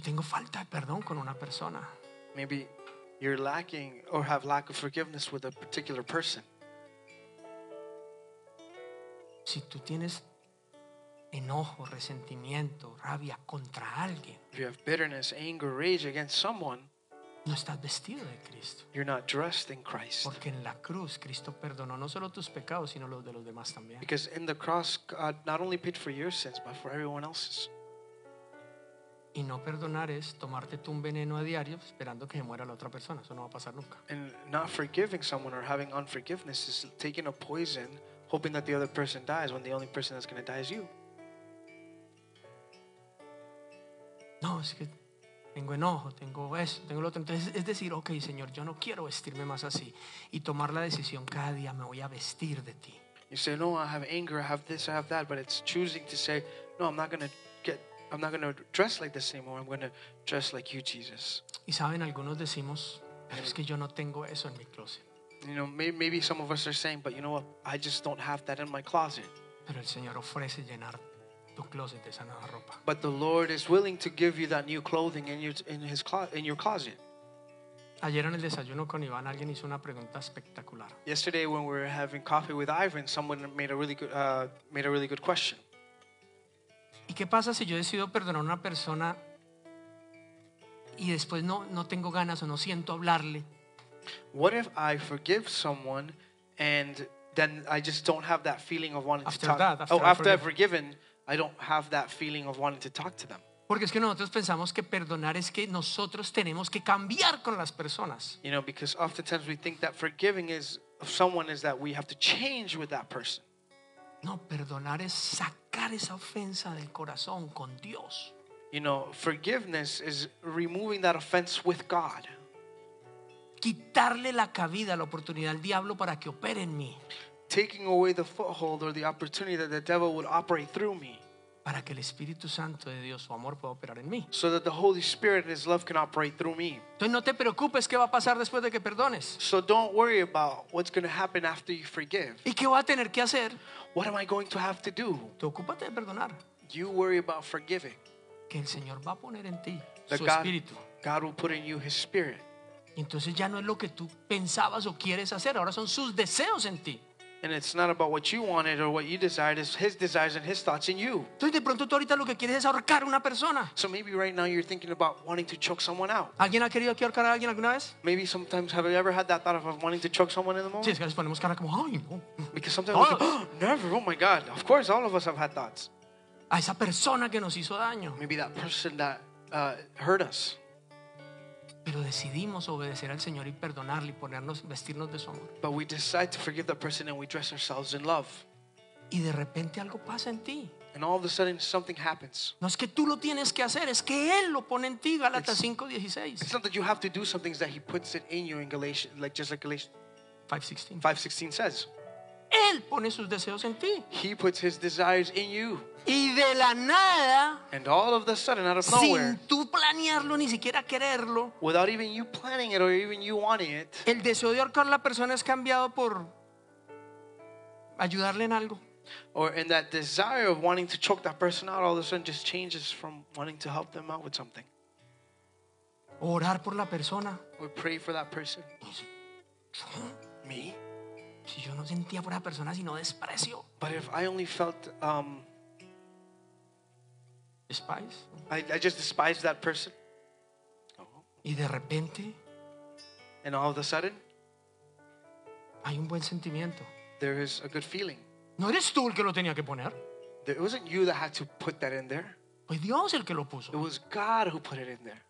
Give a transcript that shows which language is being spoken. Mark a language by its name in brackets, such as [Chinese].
[Spanish] tengo falta de perdón con una persona. [English] Maybe you're lacking or have lack of forgiveness with a particular person. [Spanish] Si tú tienes enojo, resentimiento, rabia contra alguien. [English] If you have bitterness, anger, rage against someone, [Spanish] no estás vestido de Cristo. [English] You're not dressed in Christ. [Spanish] Porque en la cruz Cristo perdonó no solo tus pecados, sino los de los demás también. [English] Because in the cross God not only paid for your sins, but for everyone else's. [Spanish] Y no perdonar es tomarte tú un veneno a diario esperando que se muera la otra persona. Eso no va a pasar nunca. [English] And not forgiving someone or having unforgiveness is taking a poison, hoping that the other person dies when the only person that's going to die is you. [Spanish] No, es que tengo enojo, tengo eso, tengo lo otro. Entonces es decir, okay, Señor, yo no quiero vestirme más así. Y tomar la decisión cada día, me voy a vestir de ti. [English] You say, no, I have anger, I have this, I have that. But it's choosing to say, no, I'm not going to dress like this anymore. I'm going to dress like you, Jesus. [Spanish] Y saben, algunos decimos, pero es que yo no tengo eso en mi closet. [English] You know, maybe some of us are saying, but you know what, I just don't have that in my closet. [Spanish] Pero el Señor ofrece llenarte. Tu closet, esa nueva ropa. [English] But the Lord is willing to give you that new clothing in your closet. [Spanish] Ayer en el desayuno con Iván, alguien hizo una pregunta espectacular. [English] Yesterday when we were having coffee with Ivan, someone made a really good question. [Spanish] ¿Y qué pasa si yo decido perdonar a una persona y después no tengo ganas o no siento hablarle? [English] What if I forgive someone and then I just don't have that feeling of wanting after to talk? That, after, oh, after I've forgiven, I don't have that feeling of wanting to talk to them. [Spanish] Porque es que nosotros pensamos que perdonar es que nosotros tenemos que cambiar con las personas. [English] You know, because oftentimes we think that forgiving is of someone is that we have to change with that person. [Spanish] No, perdonar es sacar esa ofensa del corazón con Dios. [English] You know, forgiveness is removing that offense with God. [Spanish] Quitarle la cabida, la oportunidad al diablo para que opere en mí. [English] Taking away the foothold or the opportunity that the devil would operate through me. [Spanish] Para que el Espíritu Santo de Dios, su amor, pueda operar en mí. [English] So that the Holy Spirit and His love can operate through me. [Spanish] Entonces no te preocupes qué va a pasar después de que perdones. [English] So don't worry about what's going to happen after you forgive. [Spanish] ¿Y qué va a tener que hacer? [English] What am I going to have to do? [Spanish] Tú ocúpate de perdonar. [English] You worry about forgiving. [Spanish] Que el Señor va a poner en ti [English] that [Spanish] su Espíritu. [English] God will put in you His Spirit. [Spanish] Y entonces ya no es lo que tú pensabas o quieres hacer. Ahora son sus deseos en ti. [English] And it's not about what you wanted or what you desired. It's his desires and his thoughts in you. [Spanish] Entonces, de pronto, tú ahorita lo que quieres es ahorcar una persona. [English] So maybe right now you're thinking about wanting to choke someone out. [Spanish] ¿Alguien ha querido aquí ahorcar a alguien alguna vez? [English] Maybe sometimes have you ever had that thought of wanting to choke someone in the moment? [Spanish] Sí, es que les ponemos cara como, ay, no. [English] Because sometimes we're like, oh, never, oh my God. Of course, all of us have had thoughts. [Spanish] A esa persona que nos hizo daño. [English] Maybe that person that hurt us. [Spanish] Pero decidimos obedecer al Señor y perdonarle y ponernos vestirnos de su amor. [English] But we decide to forgive the person and we dress ourselves in love. [Spanish] Y de repente algo pasa en ti. [English] And all of a sudden something happens. [Spanish] No es que tú lo tienes que hacer, es que él lo pone en ti, Galatas 5:16. [English] It's not that you have to do something, it's that he puts it in you in Galatians, like just like Galatians 5:16 says. [Spanish] Él pone sus deseos en ti. [English] He puts his desires in you. [Spanish] Y de la nada, [English] and all of a sudden, out of [Spanish] sin [English] nowhere, [Spanish] tú planearlo, ni siquiera quererlo, [English] without even you planning it or even you wanting it, [Spanish] el deseo de ahorcar la persona es cambiado por ayudarle en algo. [English] Or in that desire of wanting to choke that person out, all of a sudden just changes from wanting to help them out with something. [Spanish] Orar por la persona. [English] Or pray for that person. Me? [Spanish] Si yo no sentía por esa persona, sino desprecio. [English] But if I only felt despise. I just despised that person. [Spanish] Y de repente, [English] and all of a sudden, [Spanish] hay un buen sentimiento. [English] There is a good feeling. [Spanish] No eres tú el que lo tenía que poner. [English] It wasn't you that had to put that in there. [Spanish] Fue Dios el que lo puso. [English] It was God who put it in there.